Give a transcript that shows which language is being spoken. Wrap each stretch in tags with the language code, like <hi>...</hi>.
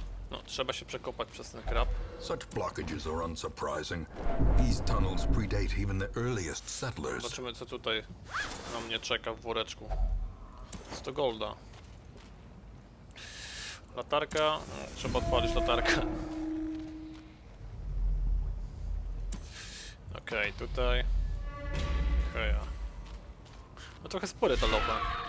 <pl>No, trzeba się przekopać przez ten krab.</pl> <en>Such blockages are unsurprising. These tunnels predate even the earliest settlers.</en> <pl>Zobaczymy, co tutaj na mnie czeka w woreczku. 100 golda. Latarka. Trzeba odpalić latarkę. Okej, okay, tutaj. Heja. No trochę spory ta lopa.</pl>